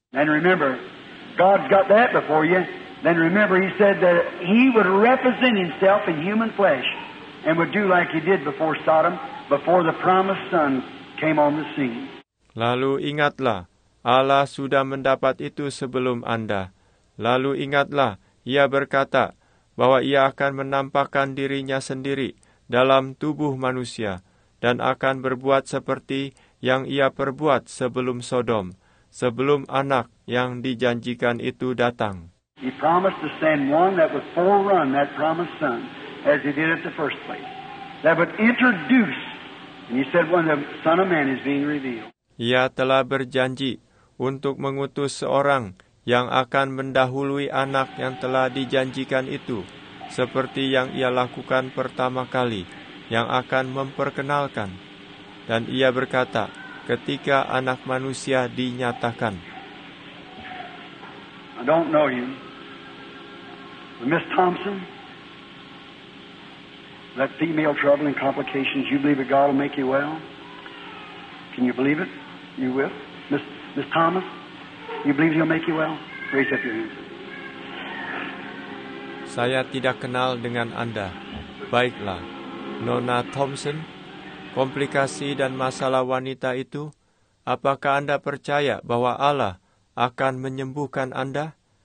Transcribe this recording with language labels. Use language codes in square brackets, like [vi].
[en] And remember, God's got that before you. Then remember, he said that he would represent himself in human flesh and would do like he did before Sodom, before the promised son came on the scene. [id] Lalu ingatlah, Allah sudah mendapat itu sebelum Anda. Lalu ingatlah, ia berkata bahwa ia akan menampakkan dirinya sendiri dalam tubuh manusia dan akan berbuat seperti yang ia perbuat sebelum Sodom. Sebelum anak yang dijanjikan itu datang. [en] He promised to send one that would forerun that promised son, as he did at the first place. That would introduce, and he said, when the Son of Man is being revealed. [id] Ia telah berjanji untuk mengutus seorang yang akan mendahului anak yang telah dijanjikan itu, seperti yang ia lakukan pertama kali, yang akan memperkenalkan. Dan ia berkata, ketika anak manusia dinyatakan. [en] I don't know you. Miss Thompson, that female trouble and complications, you believe that God will make you well? Can you believe it? You will? Miss Thomas, you believe he'll make you well? Raise up your hands. [id] Saya tidak kenal dengan Anda. Baiklah. Nona Thompson, komplikasi dan masalah wanita itu, apakah Anda percaya bahwa Allah akan menyembuhkan Anda?